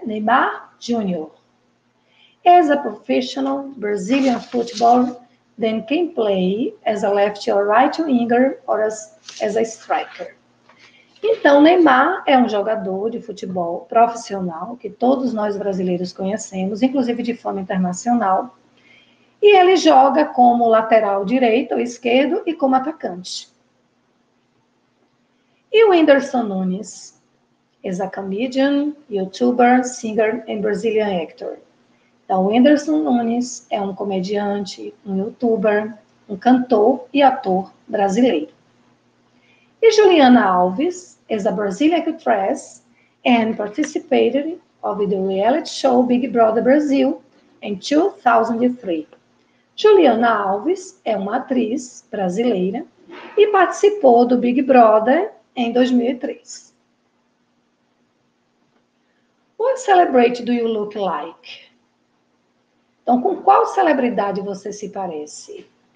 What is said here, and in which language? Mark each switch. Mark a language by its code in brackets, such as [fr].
[en] Neymar Jr. As a professional Brazilian footballer, then can play as a left or right winger or as a striker. [pt] Então, Neymar é um jogador de futebol profissional que todos nós brasileiros conhecemos, inclusive de fama internacional. E ele joga como lateral direito ou esquerdo e como atacante. E o Whindersson Nunes? [en] Is a comedian, YouTuber, singer and Brazilian actor. [pt] Então, Whindersson Nunes é um comediante, um YouTuber, um cantor e ator brasileiro. [en] E Juliana Alves is a Brazilian actress and participated of the reality show Big Brother Brazil in 2003. [pt] Juliana Alves é uma atriz brasileira e participou do Big Brother em 2003. [en] What celebrity do you look like? [pt] Então, com qual celebridade você se parece?